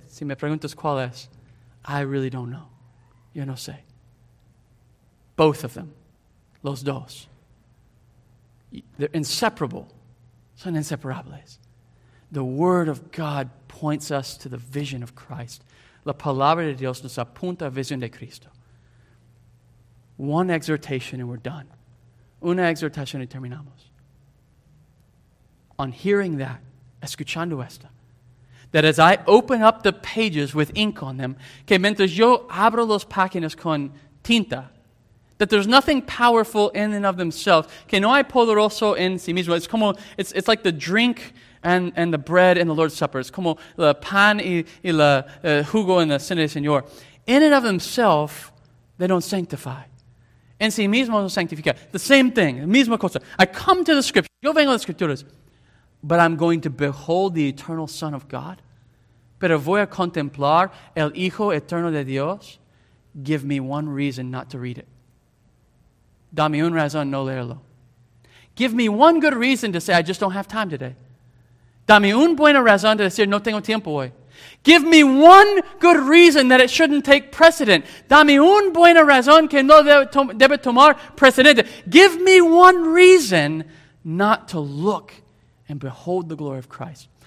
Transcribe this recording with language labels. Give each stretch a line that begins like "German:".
Spanish: Si me preguntas cuál es,
English: I really don't know.
Spanish: Yo no sé.
English: Both of them.
Spanish: Los dos.
English: They're inseparable.
Spanish: Son inseparables.
English: The word of God points us to the vision of Christ.
Spanish: La palabra de Dios nos apunta a la visión de Cristo.
English: One exhortation and we're done.
Spanish: Una exhortación y terminamos.
English: On hearing that,
Spanish: escuchando esta,
English: that as I open up the pages with ink on them,
Spanish: que mientras yo abro los páginas con tinta,
English: that there's nothing powerful in and of themselves.
Spanish: Que no hay poderoso en sí mismo. It's como,
English: it's like the drink and the bread in the Lord's Supper.
Spanish: It's como el pan y la jugo en la cena del Señor.
English: In and of themselves, they don't sanctify.
Spanish: En sí mismo no sanctifica.
English: The same thing,
Spanish: la misma cosa.
English: I come to the Scripture.
Spanish: Yo vengo a las Escrituras.
English: But I'm going to behold the eternal Son of God.
Spanish: Pero voy a contemplar el Hijo Eterno de Dios.
English: Give me one reason not to read it.
Spanish: Dame un razón no leerlo.
English: Give me one good reason to say, I just don't have time today.
Spanish: Dame un buena razón de decir, no tengo tiempo hoy.
English: Give me one good reason that it shouldn't take precedent.
Spanish: Dame un buena razón que no debe tomar precedente.
English: Give me one reason not to look and behold the glory of Christ.